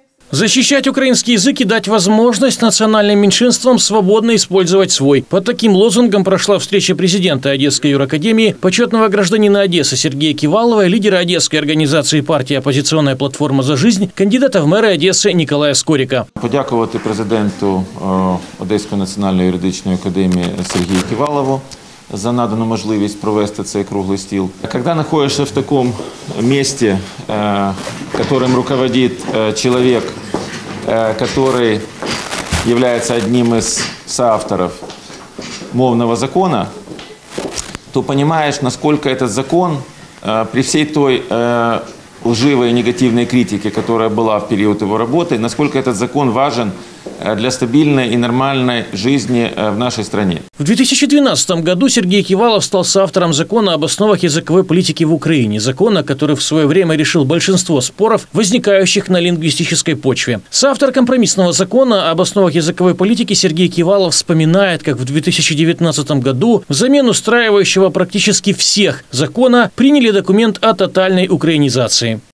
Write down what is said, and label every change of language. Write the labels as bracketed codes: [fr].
[ru] Защищать украинский язык и дать возможность национальным меньшинствам свободно использовать свой. Под таким лозунгом прошла встреча президента Одесской юракадемии, почетного гражданина Одессы Сергея Кивалова, лидера Одесской организации партии «Оппозиционная платформа за жизнь», кандидата в мэры Одессы Николая Скорика. [uk] Подякувати президенту Одеської національної юридичної академії Сергію Ківалову за надану можливість провести цей круглий стіл. Коли знаходишся в такому місці, яким руководить людина, який є одним із соавторів мовного закону, то розумієш, наскільки цей закон при всій той лживій негативній критиці, яка була в період його роботи, наскільки цей закон [ru] важен для стабильной и нормальной жизни в нашей стране. В 2012 году Сергей Кивалов стал соавтором закона об основах языковой политики в Украине, закона, который в свое время решил большинство споров, возникающих на лингвистической почве. Соавтор компромиссного закона об основах языковой политики Сергей Кивалов вспоминает, как в 2019 году взамен устраивающего практически всех закона приняли документ о тотальной украинизации.